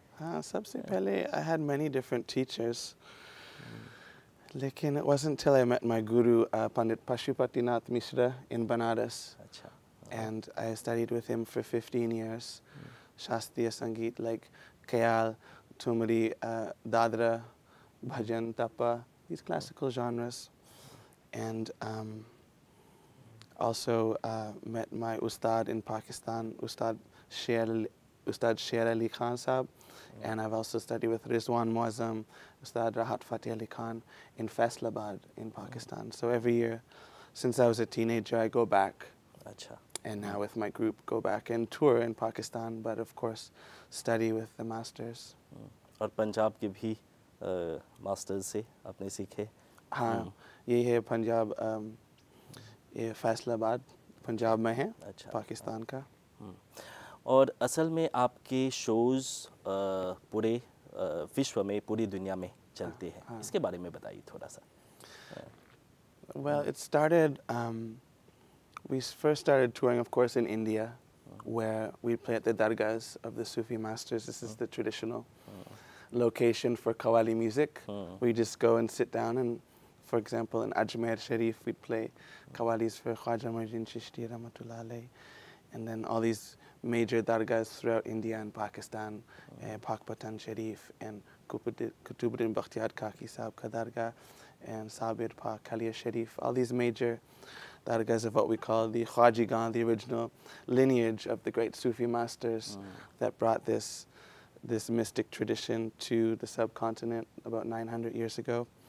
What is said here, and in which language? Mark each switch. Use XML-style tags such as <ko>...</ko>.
<hi>हाँ, सबसे पहले</hi> <en>I had many different teachers, लेकिन it wasn't till I met my guru Pandit Pashupatinath Mishra in Banaras.</en> <hi>अच्छा।</hi> <en>And I studied with him for 15 years, Shastriya Sangeet, like Khayal, Tumri, Dadra, Bhajan, Tapa, these classical genres. And also met my Ustad in Pakistan, Ustad Sher Ali Khan Saab. And I've also studied with Rizwan Muazzam, Ustad Rahat Fateh Ali Khan in Faisalabad in Pakistan. So every year, since I was a teenager, I go back.</en> <hi>Achha.</hi> <en>And now with my group, go back and tour in Pakistan, but of course, study with the masters.</en> <hi>और पंजाब के भी masters से आपने सीखे? हाँ, यही है पंजाब, ये फैसलाबाद पंजाब में हैं अच्छा पाकिस्तान का और असल में आपके शोज पूरे विश्व में पूरी दुनिया में चलते हैं इसके बारे में बताइए थोड़ा सा</hi> <en>Well it started we first started touring of course in India where we play at the dargahs of the Sufi masters. This is the traditional location for Qawwali music. We just go and sit down and, for example, in Ajmer Sharif, we'd play Qawwalis for Khwaja Mujin Chishti Rahmatullah Alayh. And then all these major dargahs throughout India and Pakistan, Pakpatan Sharif and Qutubuddin Bakhtiyar Kaki Sahib ka dargah and Sabir Pak Kaliya Sharif, all these major dargahs of what we call the Khwajigan, the original lineage of the great Sufi masters that brought this mystic tradition to the subcontinent about 900 years ago.</en>